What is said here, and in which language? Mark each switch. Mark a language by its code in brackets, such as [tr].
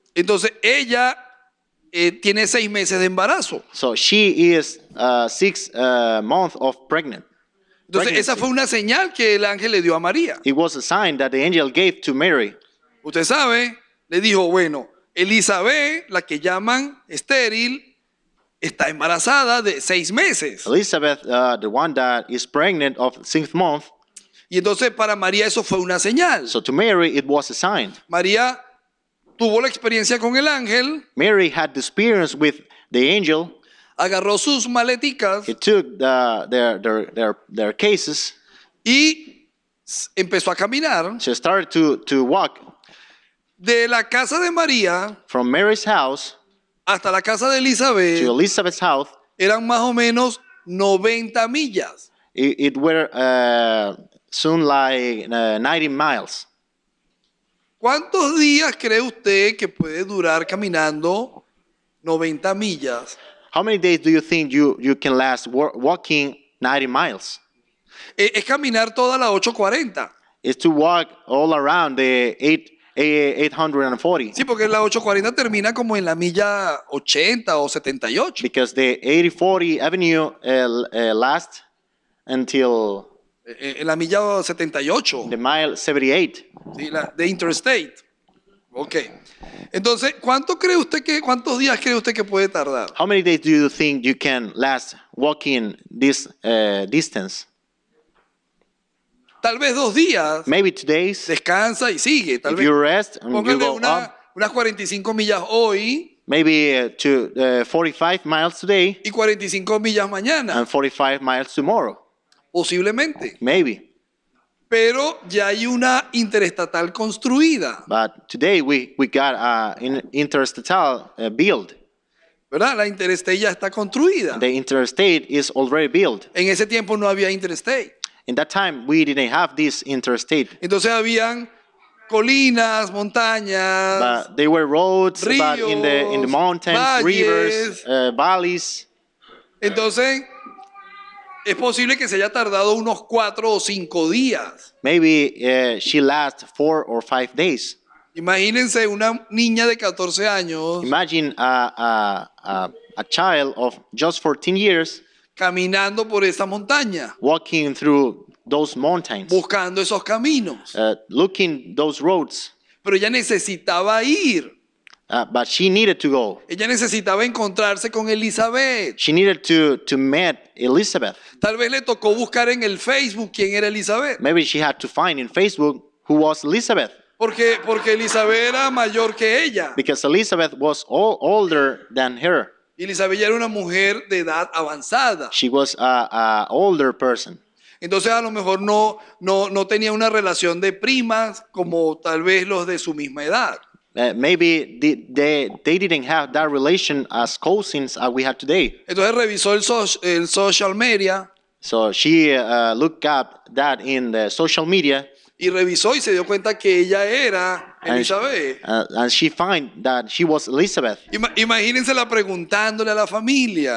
[es] Entonces ella tiene 6 meses de embarazo. [en] So she is 6 months of pregnant. [es] Entonces pregnancy. Esa fue una señal que el ángel le dio a María. [en] It was a sign that the angel gave to Mary. [es] Usted sabe, le dijo, bueno, Elizabeth, la que llaman estéril, está embarazada de 6 meses. [en] Elizabeth, the one that is pregnant of 6 months. [es] Y entonces para María eso fue una señal. [en] So to Mary it was a sign. [es] María tuvo la experiencia con el ángel. [en] Mary had the experience with the angel. [es] Agarró sus maleticas. [en] He took their cases. [es] Y empezó a caminar. [en] She started to walk. [es] De la casa de María, [en] from Mary's house, [es] hasta la casa de Elizabeth, [en] to Elizabeth's house, [es] eran más o menos 90 millas. [en] It were soon like 90 miles. [es] ¿Cuántos días cree usted que puede durar caminando 90 millas? [en] How many days do you think you can last walking 90 miles? [es] Es caminar toda la 840. [en] It's to walk all around the 840. [es] Sí, porque la 840 termina como en la milla 80 o 78. [en] Because the 840 avenue last until [es] en la milla 78. [en] The mile 78. Sí, the interstate. Okay. [es] Entonces, cuántos días cree usted que puede tardar? [en] How many days do you think you can last walking this distance? [es] Tal vez 2 días. [en] Maybe 2 days. [es] Descansa y sigue. Tal [en] if you rest and you go [es] una, [en] up. [es] Unas 45 millas hoy. [en] Maybe 45 miles today. [es] Y 45 millas mañana. [en] And 45 miles tomorrow. [es] Posiblemente. [en] Maybe. [es] Pero ya hay una interestatal construida. [en] But today we got an interestatal build. [es] ¿Verdad? La interstate ya está construida. [en] The interstate is already built. [es] En ese tiempo no había interstate. [en] In that time, we didn't have this interstate. [es] Entonces habían colinas, montañas. [en] But they were roads, [es] ríos, [en] but in the mountains, [es] valles, [en] rivers, valleys. [es] Entonces, es posible que se haya tardado unos 4 o 5 días. [en] Maybe she lasted 4 or 5 days. [es] Imagínense una niña de 14 años. [en] Imagine a child of just 14 years. [es] Caminando por esa montaña. [en] Walking through those mountains. [es] Buscando esos caminos. [en] Looking those roads. [es] Pero ella necesitaba ir. [en] But she needed to go. [es] Ella necesitaba encontrarse con Elizabeth. [en] She needed to meet Elizabeth. [es] Tal vez le tocó buscar en el Facebook quién era Elizabeth. [en] Maybe she had to find in Facebook who was Elizabeth. [es] Porque Elizabeth era mayor que ella. [en] Because Elizabeth was older than her. [es] Elizabeth ya era una mujer de edad avanzada. [en] She was a older person. [es] Entonces a lo mejor no tenía una relación de primas como tal vez los de su misma edad. [en] Maybe they didn't have that relation as cousins as we have today. [es] Entonces revisó el social media. [en] So she looked up that in the social media. [es] Y revisó y se dio cuenta que ella era Elizabeth. [en] And she find that she was Elizabeth. [es] Imagínensela preguntándole a la familia.